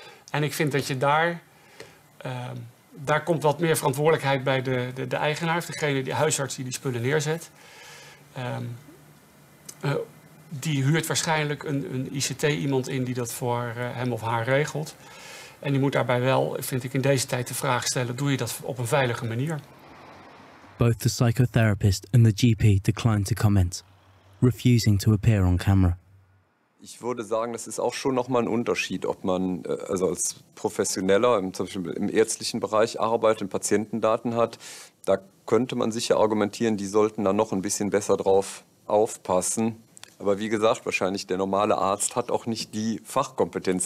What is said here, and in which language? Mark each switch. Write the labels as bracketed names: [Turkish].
[Dutch] En ik vind dat je daar, daar komt wat meer verantwoordelijkheid bij de eigenaar, of degene, die huisarts die die spullen neerzet. Die huurt waarschijnlijk een ICT-iemand in die dat voor hem of haar regelt. En die moet daarbij wel, vind ik, in deze tijd de vraag stellen, doe je dat op een veilige manier? [English] Both the psychotherapist and the GP declined to comment, refusing to appear on camera. [German] Ich würde sagen, das ist auch schon nochmal ein Unterschied, ob man also als Professioneller zum Beispiel im ärztlichen Bereich arbeitet und Patientendaten hat. Da könnte man sicher argumentieren, die sollten da noch ein bisschen besser drauf aufpassen. Aber wie gesagt, wahrscheinlich der normale Arzt hat auch nicht die Fachkompetenz.